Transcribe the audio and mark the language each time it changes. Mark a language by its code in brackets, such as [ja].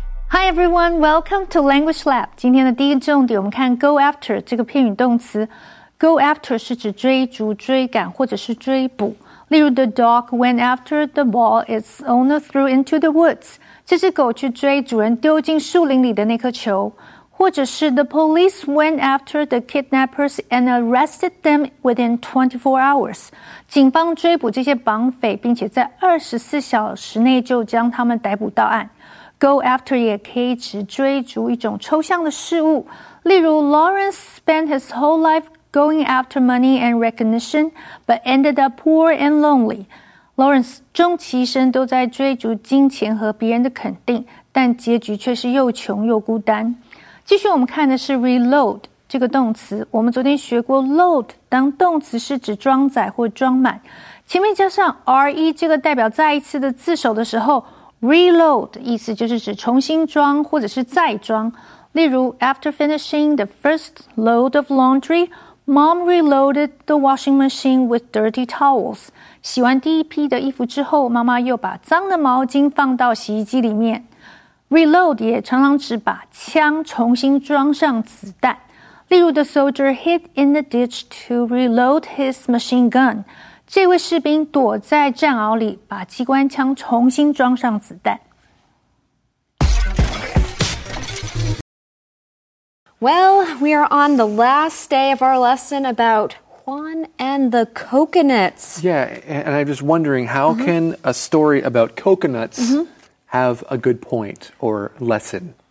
[en] Hi everyone, welcome to Language Lab. [zh] 今天的第一个重点，我们看 go after 这个片语动词。 Go after 是指追逐、追赶或者是追捕。例如 [en] ，The dog went after the ball its owner threw into the woods. [zh] 这只狗去追主人丢进树林里的那颗球。或者是 [en] The police went after the kidnappers and arrested them within 24 hours. [zh] 警方追捕这些绑匪，并且在24小时内就将他们逮捕到案。 Go after 也可以指追逐一种抽象的事物。例如 [en] ,Lawrence spent his whole life going after money and recognition, but ended up poor and lonely. [zh] Lawrence 终其一生都在追逐金钱和别人的肯定，但结局却是又穷又孤单。继续我们看的是 reload 这个动词。我们昨天学过 load 当动词是指装载或装满。前面加上 re 这个代表再一次的字首的时候，Reload 意思就是指重新装或者是再装。例如 [en] ,after finishing the first load of laundry, mom reloaded the washing machine with dirty towels. [zh] 洗完第一批的衣服之后，妈妈又把脏的毛巾放到洗衣机里面。 Reload 也常常指把枪重新装上子弹。例如 [en] ,the soldier hid in the ditch to reload his machine gun. [zh] 这位士兵躲在战壕里，把机关枪重新装上子弹。 [en] Well, we are on the last day of our lesson about Juan and the coconuts. Yeah, and I'm just wondering, how can a story about coconuts have a good point or lesson?